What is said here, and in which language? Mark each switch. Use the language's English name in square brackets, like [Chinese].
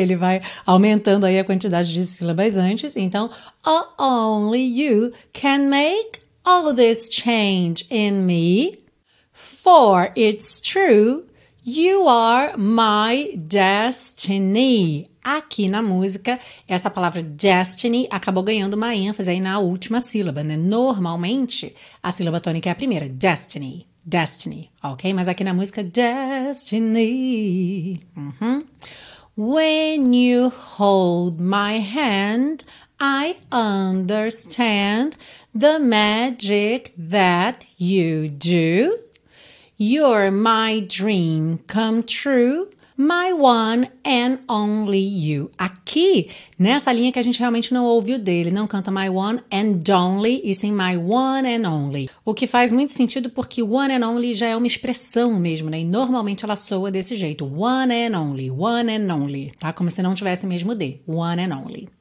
[Portuguese] Ele vai aumentando aí a quantidade de sílabas antes. Então, [English] only you can make all this change in me, for it's true, you are my destiny. [Portuguese] Aqui na música, essa palavra destiny acabou ganhando uma ênfase aí na última sílaba, né? Normalmente, a sílaba tônica é a primeira, destiny. Destiny, ok? Mas aqui na música, destiny. Uhum. [English] When you hold my hand, I understand the magic that you do. You're my dream come true, my one and only you. [Portuguese] Aqui, nessa linha que a gente realmente não ouve o dele, não canta my one and only, e sim my one and only. O que faz muito sentido porque one and only já é uma expressão mesmo, né? E normalmente ela soa desse jeito, one and only, tá? Como se não tivesse mesmo D, one and only.